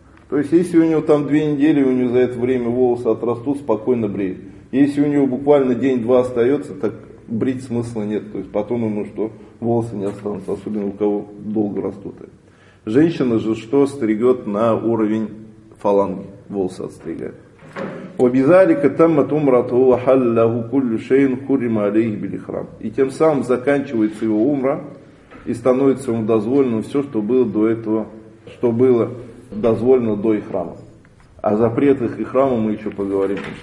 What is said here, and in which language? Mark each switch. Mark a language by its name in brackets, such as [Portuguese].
[Russian] То есть, если у него там 2 недели, у него за это время волосы отрастут, спокойно бреет. Если у него буквально день-два остается, так брить смысла нет. То есть, потом ему что, волосы не останутся, особенно у кого долго растут. Женщина же что, стригет на уровень фаланги, волосы отстригает. [Arabic] وبذلك تمت عمرته وحل له كل شيء حرم عليه بالإحرام. [Russian] И тем самым заканчивается его умра и становится ему дозволено все, что было до этого, что было дозволено до ихрама. О запретах ихрама мы еще поговорим.